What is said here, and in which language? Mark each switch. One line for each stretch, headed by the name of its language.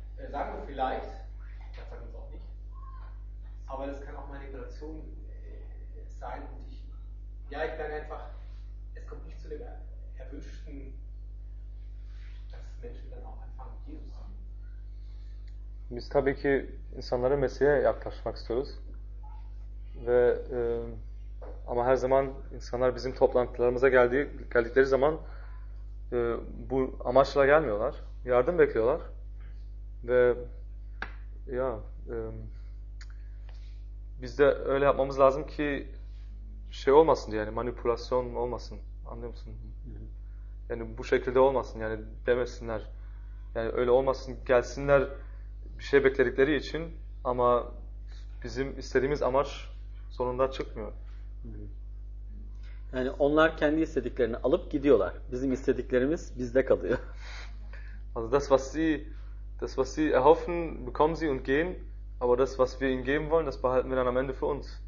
German: Sagen wir vielleicht, das sagen wir uns auch nicht, aber das kann auch Manipulation sein und ich bin einfach, es kommt nicht zu dem erwünschten, dass Menschen dann auch anfangen, Jesus zu haben.
Turkish: Biz tabii ki insanlara Mesih'e yaklaşmak istiyoruz. Ve ama her zaman insanlar bizim toplantılarımıza geldikleri zaman bu amaçla gelmiyorlar. Yardım bekliyorlar. Ve ya biz de öyle yapmamız lazım ki şey olmasın diye, yani manipülasyon olmasın. Anlıyor musun? Yani bu şekilde olmasın. Yani demesinler. Yani öyle olmasın. Gelsinler bir şey bekledikleri için ama bizim istediğimiz amaç sonunda çıkmıyor. Yani onlar kendi istediklerini alıp gidiyorlar. Bizim istediklerimiz bizde kalıyor.
German: Also das was sie erhoffen, bekommen sie und gehen, aber das was wir ihnen geben wollen, das behalten wir dann am Ende für uns.